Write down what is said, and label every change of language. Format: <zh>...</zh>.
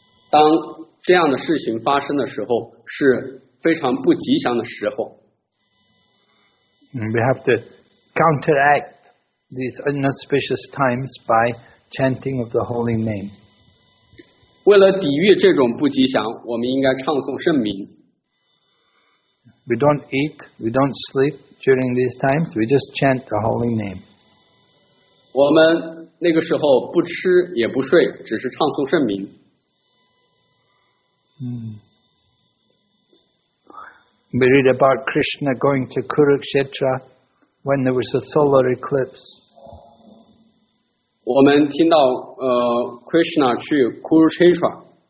<zh>当这样的事情发生的时候，是非常不吉祥的时候。</zh> <en>We have to counteract. These inauspicious times by chanting of the holy name.</en> <zh>为了抵御这种不吉祥，我们应该唱诵圣名。</zh> <en>We don't eat, we don't sleep during these times. We just chant the holy name.</en> <zh>我们那个时候不吃也不睡，只是唱诵圣名。</zh> <en>We read about Krishna going to Kurukshetra when there was a solar eclipse.</en> <zh>我们听到Krishna 去 Kurukshetra.</zh>